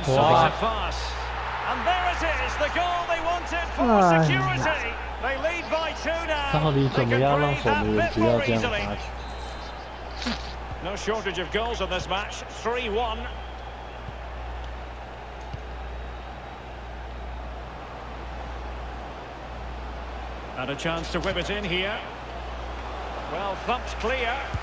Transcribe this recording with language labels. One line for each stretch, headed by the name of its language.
English: And there it is, the goal they wanted for security. They lead by two now.
Chinese: 到底怎么样让守门员不要这样打球？
English: No shortage of goals in this match. 3-1. And a chance to whip it in here. Well, thumped clear.